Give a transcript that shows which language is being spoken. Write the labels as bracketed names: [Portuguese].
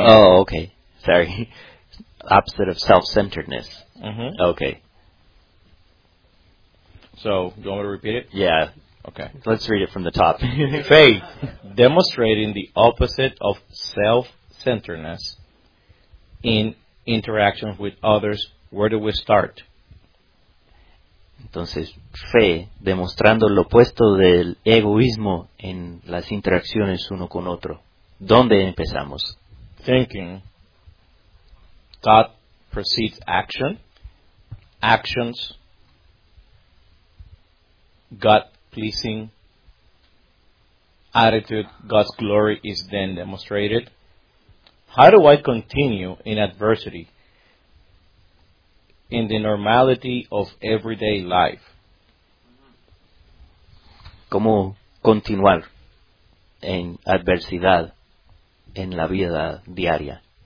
[English] Oh, okay. Sorry. Opposite of self-centeredness. Mm-hmm. Okay. So, do you want me to repeat it? Yeah. Okay. Let's read it from the top. Faith, demonstrating the opposite of self-centeredness in interactions with others. Where do we start? [Spanish] Entonces, fe, demostrando lo opuesto del egoísmo en las interacciones uno con otro. ¿Dónde empezamos? [English] Thinking. Thought precedes action. Actions. God-pleasing attitude, God's glory is then demonstrated. How do I continue in adversity, in the normality of everyday life? [Spanish] ¿Cómo continuar en adversidad en la vida diaria?